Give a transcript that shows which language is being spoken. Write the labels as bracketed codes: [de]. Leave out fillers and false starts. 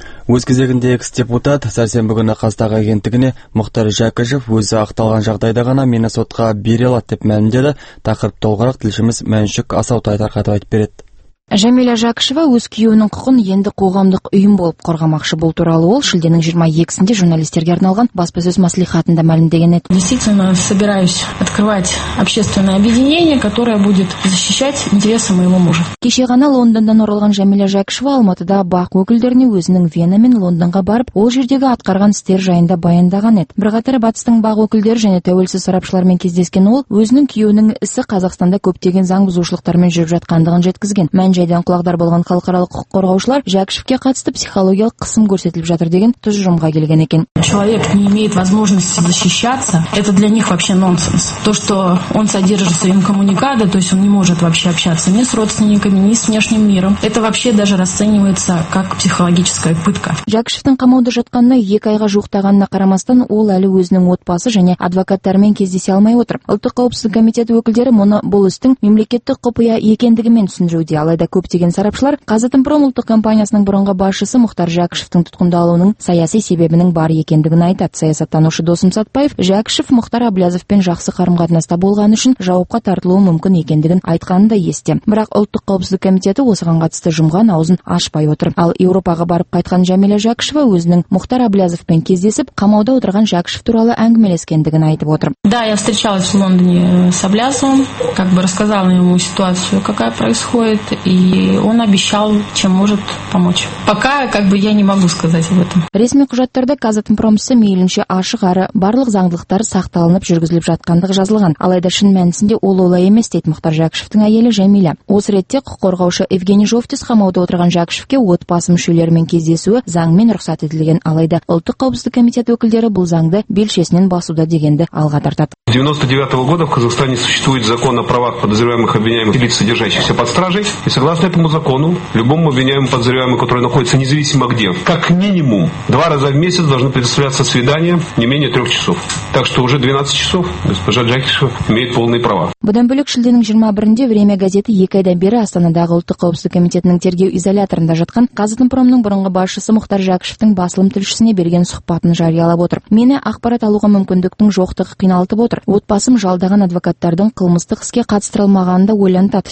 [kk] Өз кезегінде экс-депутат сәрсенбі күні қазақстан агенттігіне Мұхтар Жәкішев өзі ақталған жағдайда ғана мені сотқа бере алады деп мәлімдеді. Тақырып толығырақ тілшіміз Мәншүк Асаутай тарқатып айтып береді. Жәмила Жәкішева өз күйеуінің құқын енді қоғамдық ұйым болып қорғамақшы. Бұл туралы ол шілденің 22-сінде журналистерге арналған баспасөз мәслихатында мәлімдеген еді. [ru] Действительно, собираюсь открывать общественное объединение, которое будет защищать интересы моего мужа. [kk] Кеше ғана Лондондан оралған Жәмила Жәкішева Алматыда бақ өкілдеріне өзінің Вена мен Лондонға барып, ол жердегі атқарған істер жайында баяндаған еді. Бірқатар батыстың бақ өкілдері және тәуелсіз сарапшылармен кездескен ол, өзінің күйеуінің ісі Қазақстанда көптеген заң бұзушылықтармен жүріп жатқандығын жеткізген. Жайдан құлағдар болған халықаралық құқық қорғаушылар Жәкішевке қатысты психологиялық қысым көрсетіліп жатыр деген тұжырымға келген екен. [ru] Человек не имеет возможности защищаться, это для них вообще нонсенс. То, что он содержится инкоммуникадо, то есть он не может вообще общаться ни с родственниками, ни с внешним миром. Это вообще даже расценивается как психологическая пытка. [kk] Жәкішевтің қамауда жатқанына 2 айға жуықтағанына қарамастан, ол әлі өзінің отбасы және адвокаттарымен кездесе алмай отыр. Ұлттық қауіпсіздік комитеті өкілдері мұны бұл істің мемлекеттік құпия екендігімен түсіндіруде. Алайда көптеген сарапшылар Қазатомпром ұлттық компаниясының бұрынғы басшысы Мұхтар Жәкішевтің тұтқындалуының саяси себебінің бар екендігін айтады. Саясаттанушы Досым Сатпаев Жәкішев Мұхтар Әблязовпен жақсы қарым-қатынаста болғаны үшін жауапқа тартылуы мүмкін екендігін айтқаны да есте. Бірақ ұлттық қауіпсіздік комитеті осыған қатысты жұмған аузын ашпай отыр. Ал Еуропаға барып қайтқан Жәмила Жәкішева өзінің Мұхтар Әблязовпен кездесіп, қамауда отырған Жәкішев туралы әңгімелескендігін айтып отыр. [ru] Да, я встречалась в Лондоне с Облязовым, как бы рассказала ему ситуацию, какая происходит. И он обещал, чем может помочь. Пока как бы я не могу сказать об этом. [kk] Ресми құжаттарда Қазатомпром ісі мейлінше ашық әрі барлық заңдылықтар сақталынып жүргізіліп жатқандығы жазылған. Алайда шын мәнісінде ол олай емес дейді Мұхтар Жәкішевтің әйелі Жәмила. Осы ретте құқық қорғаушы Евгений Жовтис қамауда отырған Жәкішевке отбасы мүшелерімен кездесуі заңмен рұқсат етілген. Алайда ұлттық қауіпсіздік комитеті өкілдері бұл заңды белшесінен басуда дегенді алға тартады. [ru] 99 года в Казахстане существует закон о правах подозреваемых, обвиняемых и лиц, содержащихся под стражей. И согласно этому закону, любому обвиняемому, подозреваемому, который находится независимо где, как минимум 2 раза в месяц должны предоставляться свидания не менее 3 часов. Так что уже 12 часов госпожа Джакишева имеет полные права. [kk] Бұдан бөлік шілденің 21-де «Время» газеті екі айдан бері Астанадағы ұлттық қауіпсіздік комитетінің тергеу изоляторында жатқан Қазатомпромның бұрынғы басшысы Мұхтар Жәкішевтің басылым тілшісіне берген сұхбатын жариялап отыр. Мені ақпарат алуға мүмкіндіктің жоқтығы қиналтып отыр. Отбасым жалдаған адвокаттардың қылмыстық іске қатыстырылмағанын да ойлантады.